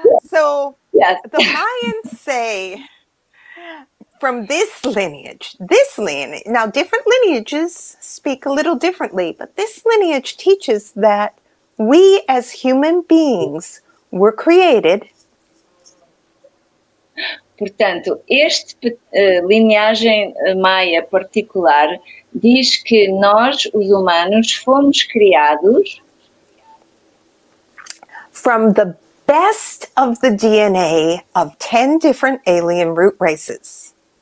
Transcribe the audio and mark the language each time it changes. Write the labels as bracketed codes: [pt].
[en] So the Mayans say from this lineage, now different lineages speak a little differently, but this lineage teaches that we as human beings were created. [pt] Portanto, este linhagem maia particular diz que nós, os humanos, fomos criados [en] from the best of the DNA of 10 different alien root races.